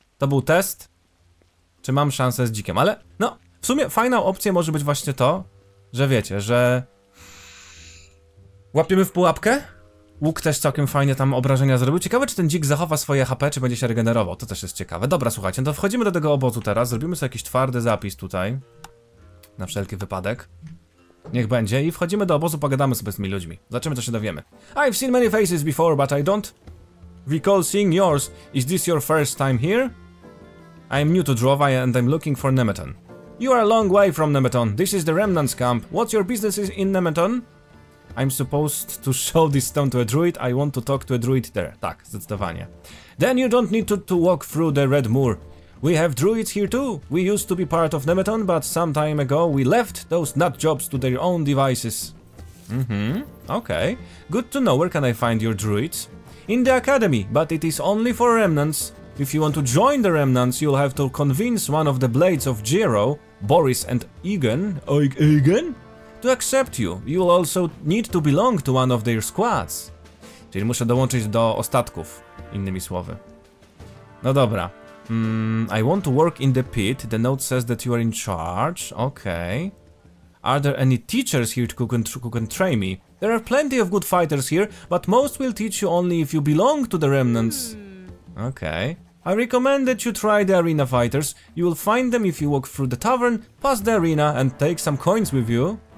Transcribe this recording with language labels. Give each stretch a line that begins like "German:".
Polish: To był test, czy mam szansę z dzikiem, ale no, w sumie fajną opcją może być właśnie to, że wiecie, że łapiemy w pułapkę. Łuk też całkiem fajnie tam obrażenia zrobił. Ciekawe, czy ten dzik zachowa swoje HP, czy będzie się regenerował. To też jest ciekawe. Dobra, słuchajcie, to wchodzimy do tego obozu teraz. Zrobimy sobie jakiś twardy zapis tutaj. Na wszelki wypadek. Niech będzie. I wchodzimy do obozu, pogadamy sobie z tymi ludźmi. Zobaczymy, co się dowiemy.
English: I've seen many faces before, but I don't recall seeing yours. Is this your first time here? I'm new to Drova and I'm looking for Nemeton. You are a long way from Nemeton. This is the Remnant's camp. What's your business in Nemeton? I'm supposed to show this stone to a druid. I want to talk to a druid there.
Polish: Tak, zdecydowanie.
English: Then you don't need to walk through the Red Moor. We have druids here too. We used to be part of Nemeton, but some time ago we left those nut jobs to their own devices. Mhm. Okay. Good to know. Where can I find your druids? In the academy, but it is only for remnants. If you want to join the remnants, you'll have to convince one of the blades of Jiro, Boris and Egan. Egan? To accept you, you will also need to belong to one of their squads.
Polish: Czyli muszę dołączyć do ostatków, innymi słowy. No dobra.
English: I want to work in the pit, the note says that you are in charge. Okay. Are there any teachers here who can train me? There are plenty of good fighters here, but most will teach you only if you belong to the remnants. Okay. I recommend that you try the arena fighters. You will find them if you walk through the tavern, pass the arena and take some coins with you.